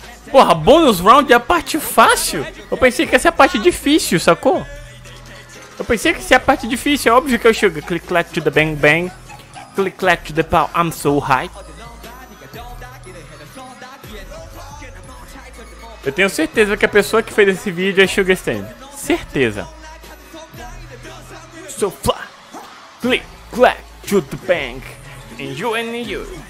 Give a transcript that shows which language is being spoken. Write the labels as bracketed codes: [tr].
[pt] Porra, bônus round é a parte fácil? Eu pensei que essa é a parte difícil, sacou? Eu pensei que essa é a parte difícil, é óbvio que eu chego. [en] Click clack to the bang bang. Click clack to the pow, I'm so high. [pt] Eu tenho certeza que a pessoa que fez esse vídeo é Sugar Stan. Certeza. [en] So fly. Click clack to the bang. And you and you.